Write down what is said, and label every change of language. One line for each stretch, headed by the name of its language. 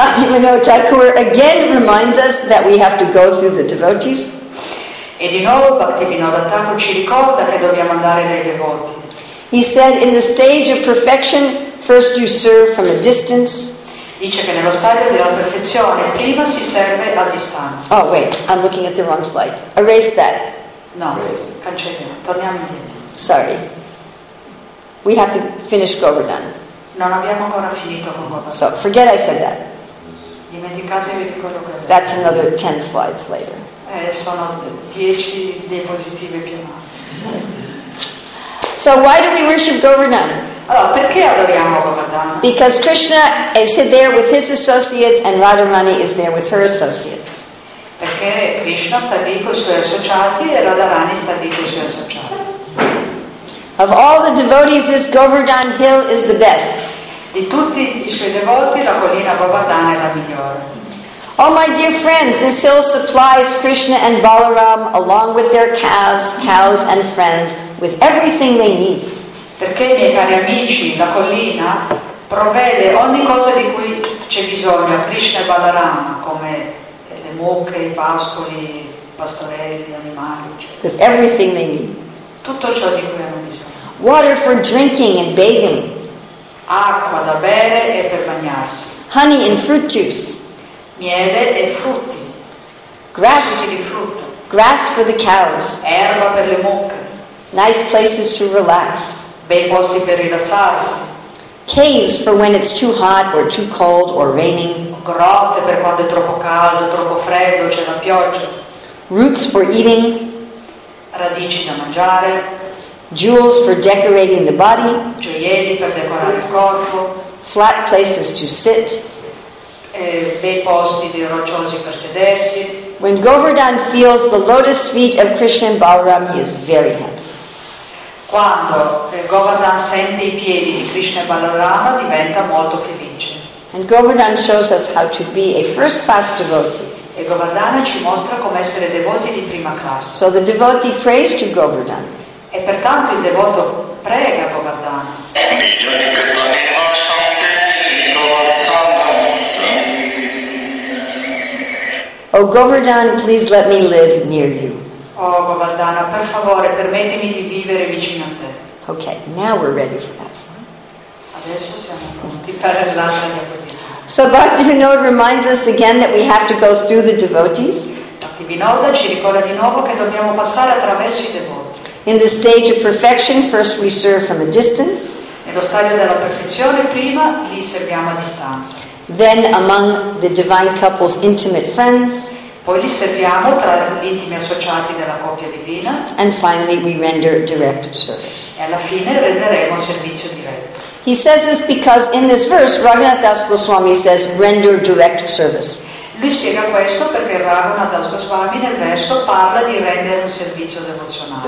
English: You know, Thakur again reminds us that we have to go through the devotees.
Italian: E di nuovo Bhaktivinoda Thakur ci ricorda che dobbiamo andare dai devoti.
English: He said, in the stage of perfection, first you serve from a distance.
Italian: Dice che nello stadio della perfezione prima si serve a distanza.
English: Oh wait, I'm looking at the wrong slide. Erase that.
Italian: No, cancelliamo. Torniamo indietro.
English: Sorry. We have to finish Govardhan.
Italian: Non abbiamo ancora finito con Govardhan.
English: So forget I said that.
Italian: Dimenticatevi di quello che ho detto.
English: That's another 10 slides later.
Italian: Sono 10 diapositive più avanti.
English: So why do we worship Govardhan?
Italian: Allora, perché adoriamo Govardhan?
English: Because Krishna is there with his associates and Radharani is there with her associates.
Italian: Perché Krishna sta lì con i suoi associati e Radharani sta lì con i suoi associati.
English: Of all the devotees, this Govardhan hill is the best.
Italian: Di tutti i suoi devoti, la collina Govardhan è la migliore.
English: Oh my dear friends, this hill supplies Krishna and Balaram along with their calves, cows and friends with everything they need.
Italian: Perché, miei cari amici, la collina provvede ogni cosa di cui c'è bisogno a Krishna e Balaram, come le mucche, i pascoli, i pastorelli, gli animali, eccetera.
English: With everything they need.
Italian: Tutto ciò di cui hanno bisogno.
English: Water for drinking and bathing.
Italian: Acqua da bere e per bagnarsi.
English: Honey and fruit juice.
Italian: Miele e frutti.
English: Grass.
Italian: Frutti di frutto.
English: Grass for the cows.
Italian: Erba per le mucche.
English: Nice places to relax.
Italian: Bei posti per rilassarsi.
English: Caves for when it's too hot or too cold or raining.
Italian: Grotte per quando è troppo caldo, troppo freddo, c'è la pioggia.
English: Roots for eating.
Italian: Radici da mangiare.
English: Jewels for decorating the body.
Italian: Gioielli per decorare il corpo.
English: Flat places to sit.
Italian: Bei posti di rocciosi per sedersi.
English: When Govardhan feels the lotus feet of Krishna and Balaram, he is very happy.
Italian: Quando Govardhan sente i piedi di Krishna e Balarama, diventa molto felice.
English: And Govardhan shows us how to be a first class devotee.
Italian: E Govardhan ci mostra come essere devoti di prima classe.
English: So the devotee prays to Govardhan.
Italian: E pertanto il devoto prega Govardhan.
English: Oh Govardhan, please let me live near you.
Italian: Oh Govardhan, per favore, permettimi di vivere vicino a te.
English: Okay, now we're ready for that slide.
Italian: Adesso siamo pronti per la
English: So Bhaktivinoda reminds us again that we have to go through the devotees.
Italian: Bhaktivinoda ci ricorda di nuovo che dobbiamo passare attraverso i devoti.
English: In the stage of perfection, first we serve from a distance.
Italian: Nello stadio della perfezione, prima li serviamo a distanza.
English: Then among the divine couple's intimate friends.
Italian: Poi li serviamo tra gli intimi associati della coppia divina.
English: And finally we render direct service.
Italian: E alla fine renderemo servizio diretto.
English: He says this because in this verse Raghunath Das Goswami says render direct service.
Italian: Lui spiega questo perché Raghunath Das Goswami nel verso parla di rendere un servizio devozionale.